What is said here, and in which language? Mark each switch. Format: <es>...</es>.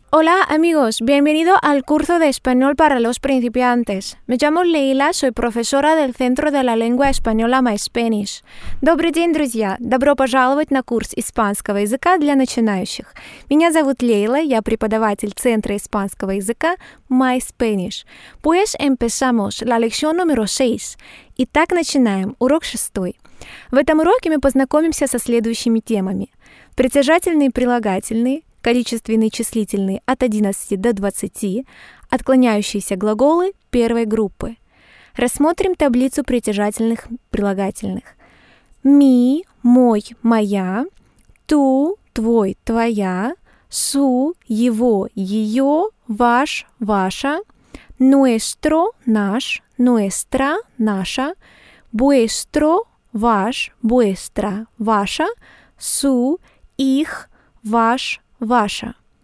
<es>Hola amigos, bienvenido al curso de español para los principiantes. Me llamo Leila, soy profesora del Centro de la Lengua Española My Spanish.</es> <ru>Добрый день, друзья. Добро пожаловать на курс испанского языка для начинающих. Меня зовут Лейла, я преподаватель Центра испанского языка My Spanish.</ru> <es>Pues empezamos la lección número 6.</es> <ru>Итак, начинаем. Урок 6. В этом уроке мы познакомимся со следующими темами. Притяжательные прилагательные. Количественные числительные от 11 до 20, отклоняющиеся глаголы первой группы. Рассмотрим таблицу притяжательных прилагательных. Ми – мой, моя, ту – твой, твоя, су – его, ее, ваш, ваша, nuestro – наш, nuestra – наша, vuestro – ваш, vuestra – ваша, су – их, ваш, ваша.</ru>